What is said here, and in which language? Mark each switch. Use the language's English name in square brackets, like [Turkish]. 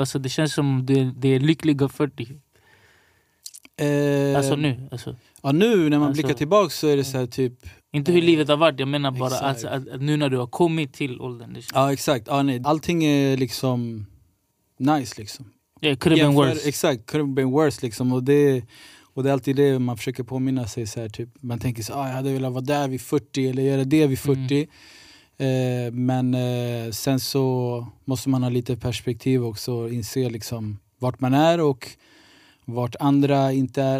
[Swedish] Alltså, det känns som du är lycklig av 40. Alltså nu. Alltså. Ja, nu när man blickar tillbaka så är det så här typ... Inte hur livet har varit. Jag menar bara alltså, att nu när du har kommit till åldern. Ja, exakt. Ja, nej. Allting är liksom nice liksom. [English] Yeah, could have been worse. [Swedish] Exakt, [English] could have been worse [Swedish] liksom. Och det är alltid det man försöker påminna sig så här, typ. Man tänker så här, jag hade velat vara där vid 40 eller göra det vid 40. Men sen så måste man ha lite perspektiv också och inse liksom vart man är och vart andra inte är.